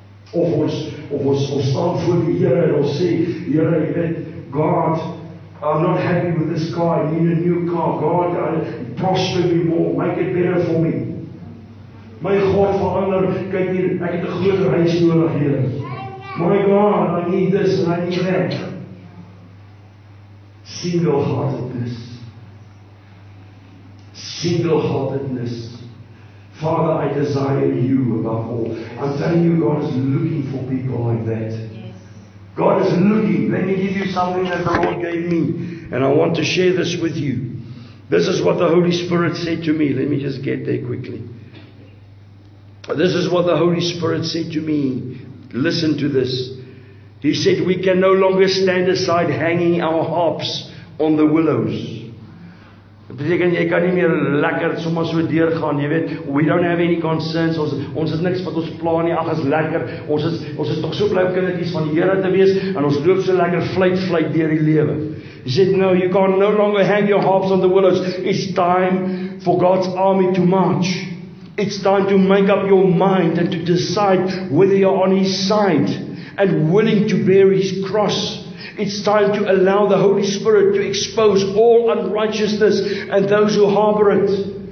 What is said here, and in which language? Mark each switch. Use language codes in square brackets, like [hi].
[af] Of ons staan voor die Here en ons sê, Here, jy weet, [en] God, I'm not happy with this car, I need a new car, God, prosper me more, make it better for me. [af] My God, verander, kyk hier, ek het 'n groot reis nodig, Here. [en] My God, I need this and I need that. Single-heartedness. Single-heartedness. Father, I desire you above all. I'm telling you, God is looking for people like that. God is looking. Let me give you something that the Lord gave me. And I want to share this with you. This is what the Holy Spirit said to me. Let me just get there quickly. This is what the Holy Spirit said to me. Listen to this. He said, we can no longer stand aside hanging our harps on the willows. [af] Dit beteken jy kan nie meer lekker sommer so deurgaan, jy weet, [en] we don't have any concerns, [af] ons het niks wat ons pla nie, ag is lekker, ons is tog so bly om kindertjies van die Here te wees, en ons loop so lekker vlyt deur die lewe. [en] He said, no, you can no longer hang your harps on the willows, it's time for God's army to march. It's time to make up your mind and to decide whether you're on His side and willing to bear His cross. It's time to allow the Holy Spirit to expose all unrighteousness and those who harbor it.